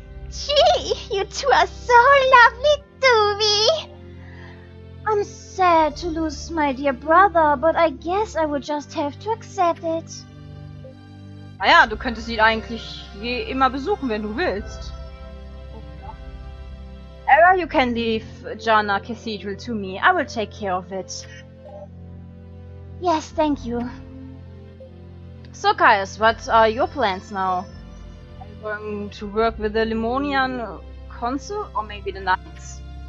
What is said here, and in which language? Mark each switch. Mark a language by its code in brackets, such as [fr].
[en] Gee, you two are so lovely to me! I'm sad to lose my dear brother, but I guess I would just have to accept it. [de] Naja, du könntest ihn eigentlich je immer besuchen, wenn du willst. [en] Aria, you can leave Janna Cathedral to me. I will take care of it. Yes, thank you. So, Caius, what are your plans now? Going to work with the Limonian Consul, or maybe the Knights?